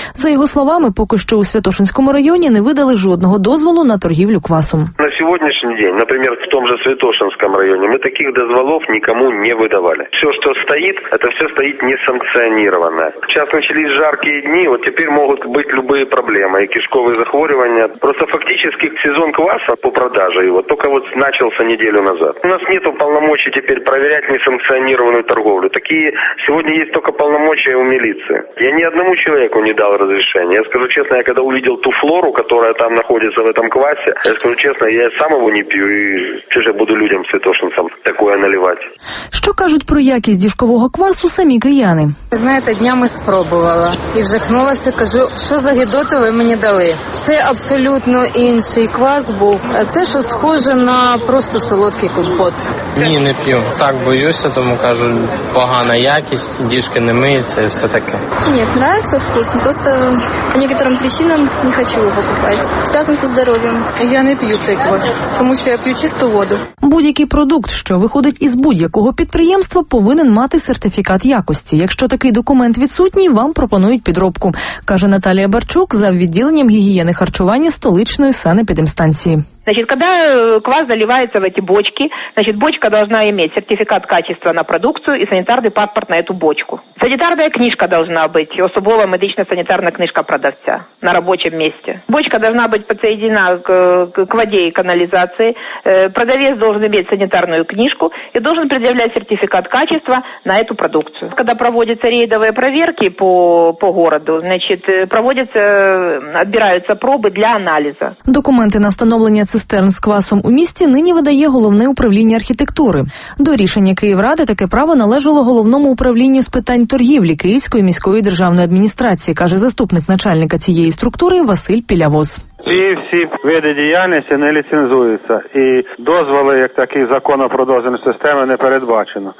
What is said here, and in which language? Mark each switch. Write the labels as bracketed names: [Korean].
[Ukrainian] За його словами, поки що у Святошинському районі не видали жодного дозволу на торгівлю квасом. На сьогоднішній день, наприклад, в [Russian] тому же [Ukrainian] Святошинському районі, ми таких дозволів нікому не видавали. Все, що стоїть, це все стоїть несанкціоноване. Зараз почались жаркі дні, от тепер можуть бути будь-які проблеми, і кишкові захворювання. [Russian] Просто фактически сезон кваса по продаже его только вот начался неделю назад. У нас нету полномочий теперь проверять несанкционированную торговлю. Такие сегодня есть только полномочия у милиции. Я ни одному человеку не дал разрешения. Я скажу честно, я когда увидел ту флору, которая там находится в этом квасе, я скажу честно, я сам его не пью и все же буду людям святошинцам такое наливать. Что [Ukrainian] кажут про якість діжкового квасу самі кияни? [Russian] Знаете, [Ukrainian] днями спробувала и вжихнулася, кажу, що за гідоти ви мені дали? Це абсолютно інший квас був. А це що схоже на просто солодкий компот. Ні, не п'ю. Так боюся, тому кажу, погана якість, діжки не миються і все таке. Ні, [Russian] нравится вкусно. Просто по некоторым причинам не хочу [Ukrainian] його покупати. [Russian] Связано зі здоров'ям. [Ukrainian] Я не п'ю цей квас, тому що я п'ю чисту воду. Будь-який продукт, що виходить із будь-якого підприємства, повинен мати сертифікат якості. Якщо такий документ відсутній, вам пропонують підробку, каже Наталія Барчук за відділенням гігієни харчування столичної санепідемстанції. [Russian] Значит, когда квас заливается в эти бочки, значит, бочка должна иметь сертификат качества на продукцию и санитарный паспорт на эту бочку. Санитарная книжка должна быть, особовая [Ukrainian] медично- [Russian] санитарная книжка продавца на рабочем месте. Бочка должна быть подсоединена к воде и канализации. Продавец должен иметь санитарную книжку и должен предъявлять сертификат качества на эту продукцию. Когда проводятся рейдовые проверки по городу, значит, отбираются пробы для анализа. [Ukrainian] Документы на встановлення цистерн з квасом у місті нині видає Головне управління архітектури. До рішення Київради таке право належало Головному управлінню з питань торгівлі Київської міської державної адміністрації, каже заступник начальника цієї структури Василь Пілявоз. Всі види діяльності не ліцензуються. І дозволи, як такі закони про дозвільні системи, не передбачено.